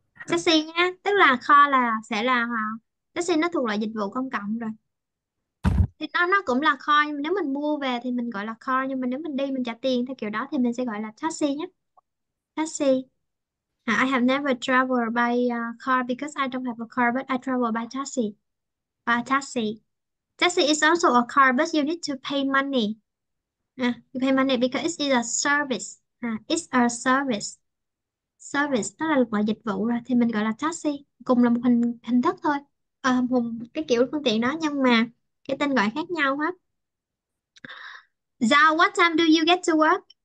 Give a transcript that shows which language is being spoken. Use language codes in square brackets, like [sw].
[vi] Taxi nhé, tức là car là sẽ là taxi, nó thuộc loại dịch vụ công cộng rồi. Thì nó cũng là car, nhưng mà nếu mình mua về thì mình gọi là car, nhưng mà nếu mình đi mình trả tiền theo kiểu đó thì mình sẽ gọi là taxi nhé. Taxi. [en] I have never traveled by car because I don't have a car, but I travel by taxi. By taxi. Taxi is also a car, but you need to pay money. You pay money because it is a service. It's a service. [vi] Service, nó là một loại dịch vụ rồi, thì mình gọi là taxi. Cùng là một hình thức thôi. Một cái kiểu phương tiện đó, nhưng mà cái tên gọi khác nhau hết. [en] Zao, what time do you get to work?